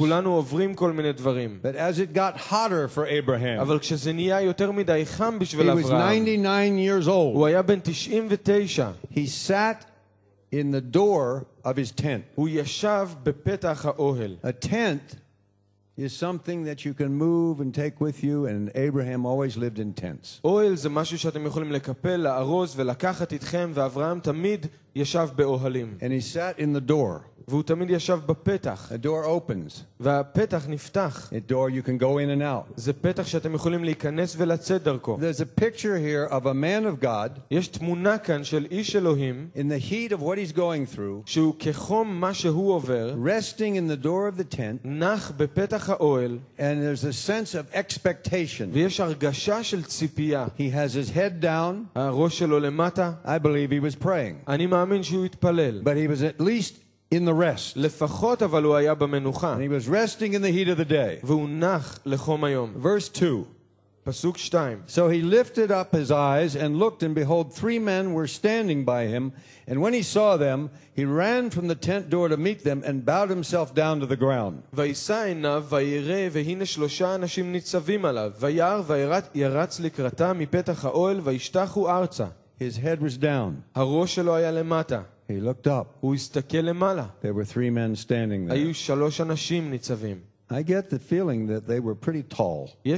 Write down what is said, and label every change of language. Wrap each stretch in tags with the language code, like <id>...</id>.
<en>But as it got hotter for Abraham, he was 99 years old. He sat in the door of his tent. A tent is something that you can move and take with you, and Abraham always lived in tents.</en> <he>Oil זה משהו שאתם יכולים לקפל, לארוז ולקחת איתכם, ואברהם תמיד ישב באוהלים.</he> <en>And he sat in the door.</en> <he>והוא תמיד ישב בפתח.</he> <en>A door opens.</en> <he>והפתח נפתח.</he> <en>A door you can go in and out.</en> <he>זה פתח שאתם יכולים להיכנס ולצאת דרכו.</he> <en>There's a picture here of a man of God.</en> <he>יש תמונה כאן של איש אלוהים.</he> <en>In the heat of what he's going through.</en> <he>שהוא כחום מה שהוא עובר.</he> <en>Resting in the door of the tent.</en> <he>נח בפתח האוהל.</he> <en>And there's a sense of expectation.</en> <he>ויש הרגשה של ציפייה.</he> <en>He has his head down.</en> <he>הראש שלו למטה.</he> <en>I believe he was praying.</en> <he>אני מאמין שהוא התפלל.</he> <en>But he was at least in the rest.</en> <he>לפחות אבל הוא היה במנוחה.</he> <en>And he was resting in the heat of the day.</en> <he>והוא נח לחום היום.</he> <en>Verse 2.</en> <he>פסוק 2.</he> <en>So he lifted up his eyes and looked, and behold, three men were standing by him. And when he saw them, he ran from the tent door to meet them and bowed himself down to the ground.</en> <he>וישא עיניו וירא, והנה שלושה אנשים ניצבים עליו. וירא וירץ לקראתם מפתח האוהל וישתחו ארצה.</he> <en>His head was down.</en> <he>הראש שלו היה למטה.</he> <en>He looked up. There were three men standing there. I get the feeling that they were pretty tall.</en>